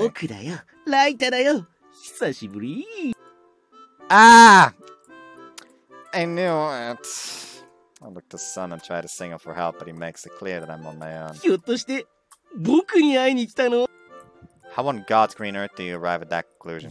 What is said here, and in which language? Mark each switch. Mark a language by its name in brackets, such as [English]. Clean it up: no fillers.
[Japanese] 僕だよ、ライタだよ、久しぶり。 [English] Ah! I knew it. I look to Sun and try to signal for help, but he makes it clear that I'm on my own. [Japanese] ひょっとして、僕に会いに来たの? [English] How on God's green earth do you arrive at that conclusion?